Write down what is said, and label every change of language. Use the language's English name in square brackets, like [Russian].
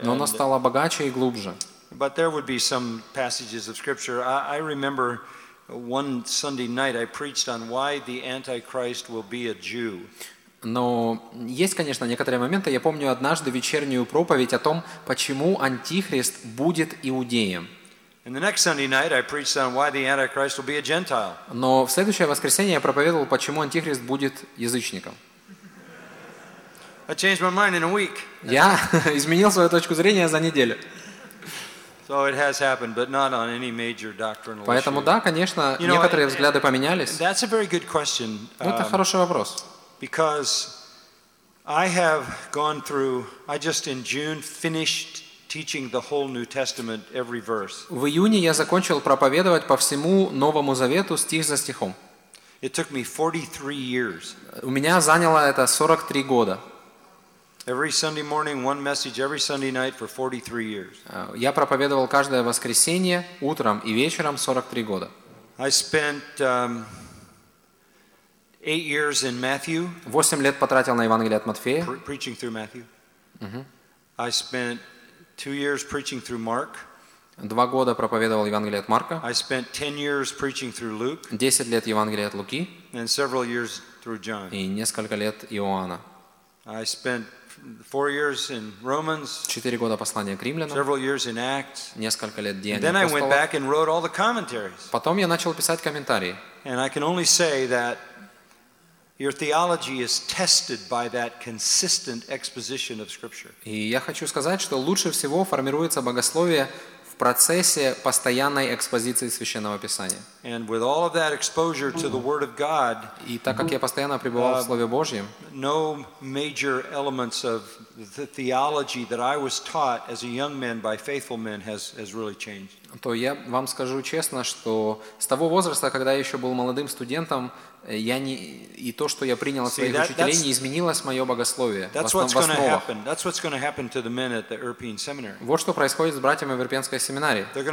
[Russian] Но оно стало богаче и глубже. [English] But there would be some passages of scripture. I remember one Sunday night I preached on why the Antichrist will be a Jew. [Russian] Но есть, конечно, некоторые моменты. Я помню однажды вечернюю проповедь о том, почему Антихрист будет иудеем. [English] And the next Sunday night I preached on why the Antichrist will be a Gentile. [Russian] Но в следующее воскресенье я проповедовал, почему Антихрист будет язычником. [English] I changed my mind in a week. [Russian] Я изменил свою точку зрения за неделю. [English] So it has happened, but not on any major doctrinal issue. [Russian] Поэтому да, конечно, некоторые взгляды поменялись. [English] That's a very good question. [Russian] Это хороший вопрос. [English] Because I have gone through, I just in June finished teaching the whole New Testament every verse. [Russian] В июне я закончил проповедовать по всему Новому Завету стих за стихом. [English] It took me 43 years. [Russian] У меня заняло это 43 года. [English] Every Sunday morning one message, every Sunday night for 43 years. [Russian] Я проповедовал каждое воскресенье утром и вечером 43 года. [English] I spent 8 years in Matthew. [Russian] 8 лет потратил на Евангелие от Матфея. [English] Preaching through Matthew. I spent 2 years preaching through Mark. [Russian] 2 года проповедовал Евангелие от Марка. [English] I spent 10 years preaching through Luke. [Russian] 10 лет Евангелие от Луки. [English] And several years through John. [Russian] И несколько лет Иоанна. [English] I spent 4 years in Romans. [Russian] 4 года послания к Римлянам. [English] Several years in Acts. [Russian] Несколько лет Деяний апостолов. [English] Then I went back and wrote all the commentaries. [Russian] Потом я начал писать комментарии. [English] And I can only say that your theology is tested by that consistent exposition of Scripture. [Russian] И я хочу сказать, что лучше всего формируется богословие в процессе постоянной экспозиции Священного Писания. [English] And with all of that exposure to the Word of God, [Russian] и так как я постоянно пребывал в Слове Божьем, [English] no major elements of the theology that I was taught as a young man by faithful men has really changed. [Russian] То я вам скажу честно, что с того возраста, когда я еще был молодым студентом, я не, и то, что я принял от своих учителей, не изменилось мое богословие в основах. Вот что происходит с братьями в Ирпенской семинарии.